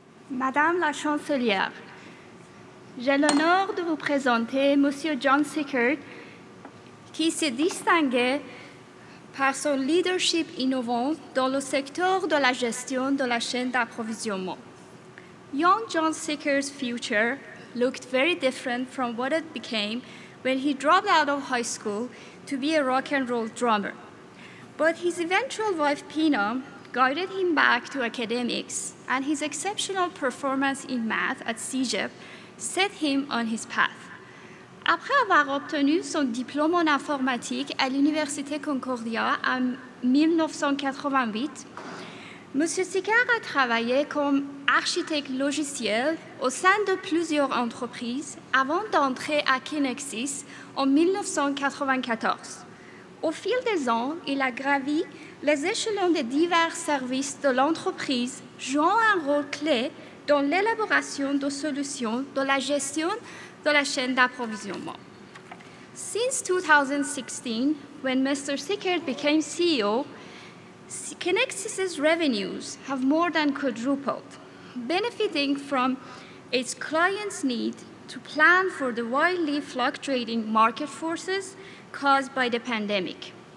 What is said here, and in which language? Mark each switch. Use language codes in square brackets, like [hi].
[fr] Madame la Chancelière, j'ai l'honneur de vous présenter Monsieur John Sicard, qui s'est distingué par son leadership innovant dans le secteur de la gestion de la chaîne d'approvisionnement. [en] Young John Sicard's future looked very different from what it became when he dropped out of high school to be a rock and roll drummer. But his eventual wife, Pina, guided him back to academics, and his exceptional performance in math at CEGEP set him on his path. [fr] Après avoir obtenu son diplôme en informatique à l'Université Concordia en 1988, M. Sicard a travaillé comme architecte logiciel au sein de plusieurs entreprises avant d'entrer à Kinaxis en 1994. Au fil des ans, il a gravi les échelons des divers services de l'entreprise, jouant un rôle clé dans l'élaboration de solutions de la gestion de la chaîne d'approvisionnement. [en] Since 2016, when Mr. Sicard became CEO, Kinaxis's revenues have more than quadrupled, benefiting from its clients' need to plan for the wildly fluctuating market forces caused by the pandemic.